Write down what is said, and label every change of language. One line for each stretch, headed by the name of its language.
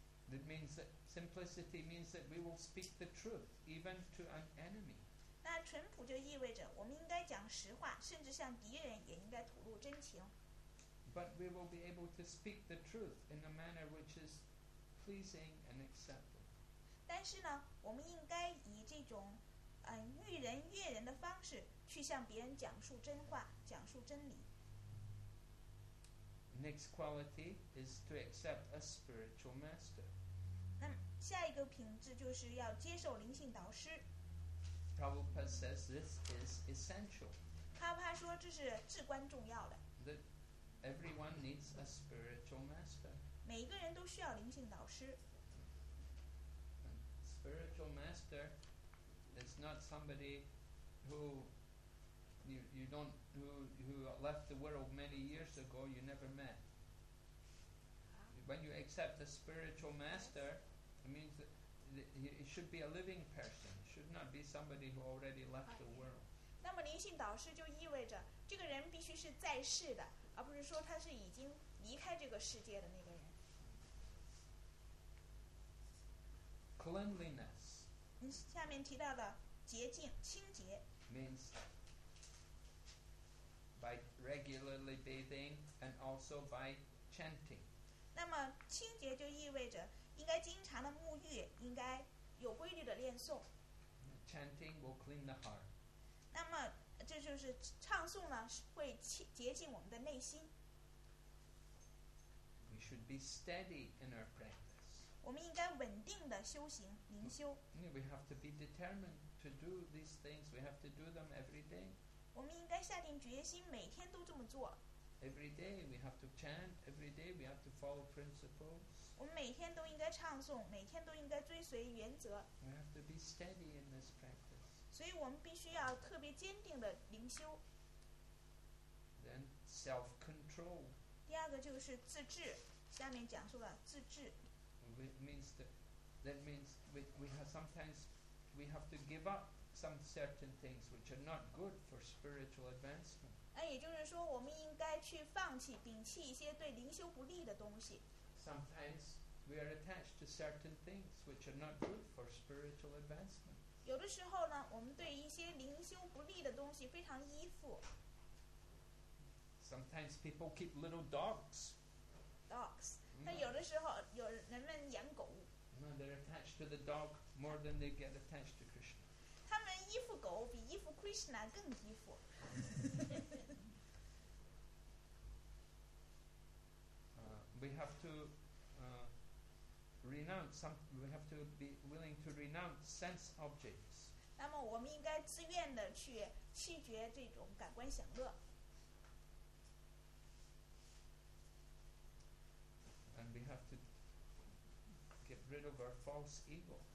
English: That means that simplicity means that we will speak the truth even to an enemy.
Chinese: 那淳朴就意味着我们应该讲实话，甚至向敌人也应该吐露真情。
English: But we will be able to speak the truth in a manner which is pleasing and acceptable.
Chinese: 但是呢，我们应该以这种，遇人悦人的方式去向别人讲述真话，讲述真理。
English: Next quality is to accept a spiritual master.
Chinese: 那下一个品质就是要接受灵性导师。
English: Prabhupada says this is essential.
Chinese: 帕帕说这是至关重要的。
English: That everyone needs a spiritual master.
Chinese: 每个人都需要灵性导师。
English: Spiritual master is not somebody who you don't who left the world many years ago you never met. When you accept a spiritual master, it means that. It should be a living person. It should not be somebody who already left the world.
Chinese: 那么灵性导师就意味着这个人必须是在世的，而不是说他是已经离开这个世界的那个人。
English: Cleanliness.
Chinese: 下面提到的洁净、清洁
English: means by regularly bathing and also by chanting.
Chinese: 那么清洁就意味着应该经常的沐浴，应该有规律的念诵。
English: Chanting will clean the heart.
Chinese: 那么这就是唱诵呢，会洁净我们的内心。
English: We should be steady in our practice.
Chinese: 我们应该稳定的修行，灵修。
English: We have to be determined to do these things. We have to do them every day.
Chinese: 我们应该下定决心，每天都这么做。
English: Every day we have to chant. Every day we have to follow principles.
Chinese: 我们每天都应该唱诵，每天都应该追随原则。
English: We have to be steady in this practice.
Chinese: 所以我们必须要特别坚定的灵修。
English: Then self-control.
Chinese: 第二个就是自制，下面讲述了自制。
English: That means we have to give up some certain things which are not good for spiritual advancement.
Chinese: 那也就是说，我们应该去放弃、摒弃一些对灵修不利的东西。
English: Sometimes we are attached to certain things which are not good for spiritual advancement.
Chinese: 有的时候呢，我们对一些灵修不利的东西非常依附。
English: Sometimes people keep little dogs. Dogs.
Chinese: 但有的时候，有人们养狗。
English: No, they're attached to the dog more than they get attached to Krishna.
Chinese: 他们依附狗比依附 Krishna 更依附。
English: We have to be willing to renounce sense objects.
Chinese: 那么我们应该自愿的去弃绝这种感官享乐。
English: And we have to get rid of our false ego.